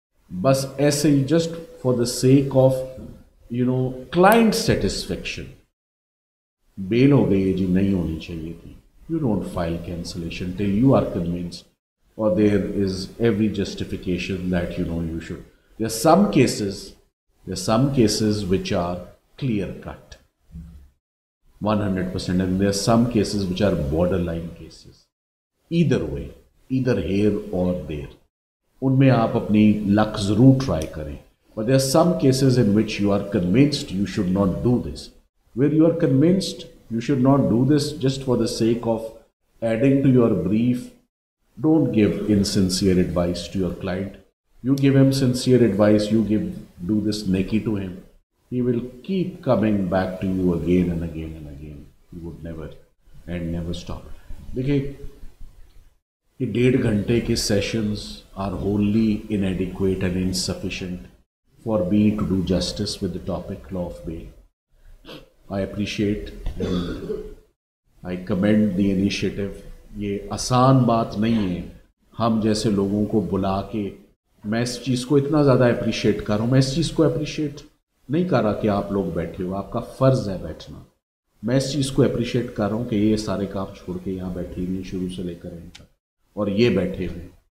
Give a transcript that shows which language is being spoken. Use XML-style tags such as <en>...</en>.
<hi>बस ऐसे ही</hi> <en>just for the sake of you know client satisfaction,</en> <hi>bell हो गई है जी, नहीं होनी चाहिए थी,</hi> <en>You don't file cancellation till you are convinced और there is every justification that you know you should. There some cases, there some cases which are clear cut 100%, and there are some cases which are borderline cases. Either way, either here or there,</en> <hi>उनमें आप अपनी luck जरूर try करें.</hi> <en>But there are some cases in which you are convinced you should not do this. Where you are convinced you should not do this just for the sake of adding to your brief, don't give insincere advice to your client. You give him sincere advice, you give do this naked to him. He will keep coming back to you again and again and again. He would never and never stop.</en> <hi>देखिए ये डेढ़ घंटे के</hi> <en>sessions are wholly inadequate and insufficient for me to do justice with the topic law of bail. I appreciate and I commend the initiative.</en> <hi>ये आसान बात नहीं है. हम जैसे लोगों को बुला के, मैं इस चीज़ को इतना ज़्यादा appreciate कर रहा हूँ, मैं इस चीज़ को appreciate नहीं कर रहा कि आप लोग बैठे हो, आपका फ़र्ज़ है बैठना. मैं इस चीज़ को अप्रिशिएट कर रहा हूँ कि ये सारे काम छोड़ के यहाँ बैठे हुए शुरू से लेकर यहाँ तक और ये बैठे हुए,</hi>